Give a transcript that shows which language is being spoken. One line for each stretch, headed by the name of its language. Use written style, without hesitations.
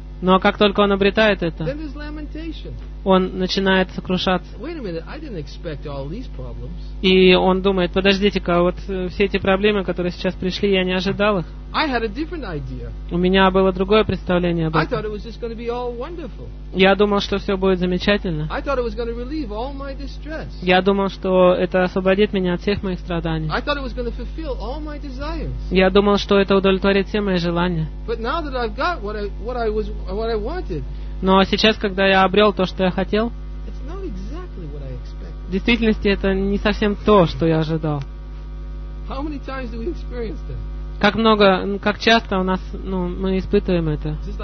Russian: но как только он обретает это,
English: then there's lamentation.
Russian: Он начинает сокрушаться.
English: Wait a minute, I didn't expect all these problems.
Russian: И он думает, подождите-ка, вот все эти проблемы, которые сейчас пришли, я не ожидал их.
English: I had a different idea.
Russian: У меня было другое представление об этом.
English: I thought it was just going to be all wonderful.
Russian: Я думал, что все будет замечательно.
English: I thought it was going to relieve all my distress.
Russian: Я думал, что это освободит меня от всех моих страданий.
English: I thought it was going to fulfill all my desires.
Russian: Я думал, что это удовлетворит все мои желания.
English: But now that I've got what I wanted.
Russian: Но сейчас, когда я обрел то, что я хотел,
English: exactly
Russian: в действительности это не совсем то, что я ожидал. Как часто у нас, ну, мы испытываем это?